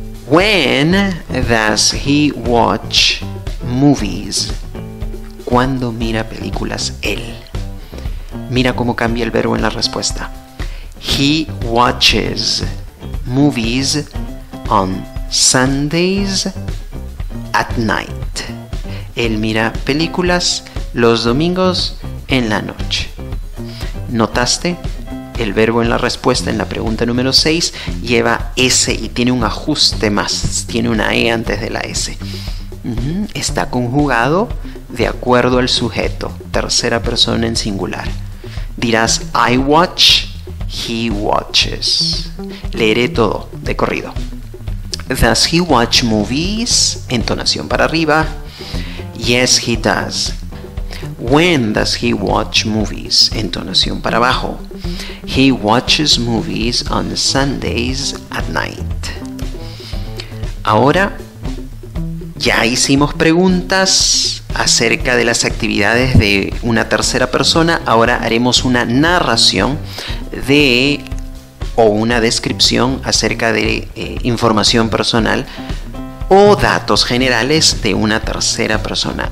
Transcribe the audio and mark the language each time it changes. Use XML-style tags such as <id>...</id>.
<en>When does he watch movies?</en> <es>¿Cuándo mira películas él? Mira cómo cambia el verbo en la respuesta.</es> <en>He watches movies on Sundays at night.</en> <es>Él mira películas los domingos en la noche. ¿Notaste? El verbo en la respuesta, en la pregunta número 6, lleva S y tiene un ajuste más. Tiene una E antes de la S. Está conjugado de acuerdo al sujeto, tercera persona en singular. Dirás,</es> <en>I watch, he watches.</en> <es>Leeré todo de corrido.</es> <en>Does he watch movies?</en> <es>Entonación para arriba.</es> <en>Yes, he does. When does he watch movies?</en> <es>Entonación para abajo.</es> <en>He watches movies on Sundays at night.</en> <es>Ahora, ya hicimos preguntas acerca de las actividades de una tercera persona. Ahora haremos una narración de o una descripción acerca de información personal o datos generales de una tercera persona.</es>